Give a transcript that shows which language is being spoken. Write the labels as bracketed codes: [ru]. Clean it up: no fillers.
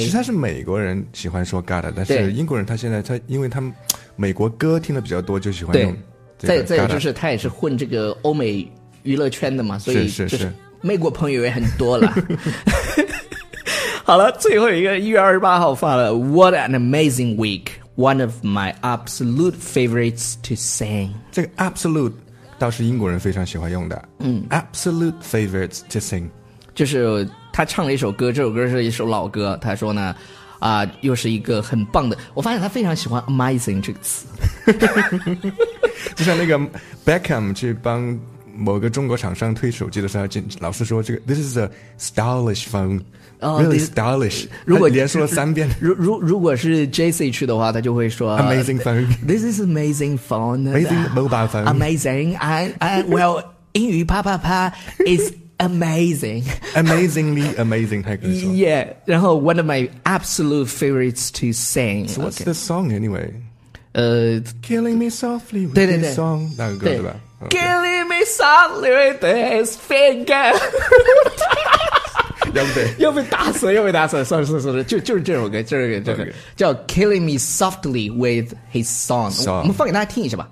[zh] 其实他是美国人喜欢说 gotta， 但是英国人他现在他因为他们美国歌听的比较多就喜欢用、这个、再就是他也是混这个欧美娱乐圈的嘛，所以就是美国朋友也很多了好了，最后一个1月28号发了 [en] What an amazing week, one of my absolute favorites to sing. [zh] 这个 absolute 倒是英国人非常喜欢用的、嗯、 [en] absolute favorites to sing [zh] 就是他唱了一首歌，这首歌是一首老歌，他说呢又是一个很棒的，我发现他非常喜欢 amazing 这个词就像那个 Beckham 去帮某个中国厂商推手机的时候，老师说这个 [en] This is a stylish phone、 oh, Really stylish， [zh] 如果连说了三遍。如果是 JC 去的话，他就会说 [en] Amazing phone This is amazing phone Amazing mobile phone Amazing and well [zh] 英语啪啪啪 [en] is amazing Amazingly amazing 还可以说 Yeah， [zh] 然后 [en] one of my absolute favorites to sing、 so、What's、okay. the song anyway？ Killing me softly with [zh] 对对对 this song 那个歌 对吧？ [en] Okay. Killing me softly with his finger [zh] 要被要被打死，要被打死。算了算了算了，就是这首歌，就是这个、这个 [en] okay. 叫 Killing Me Softly with His Song。 So, [zh] 我们放给大家听一下吧。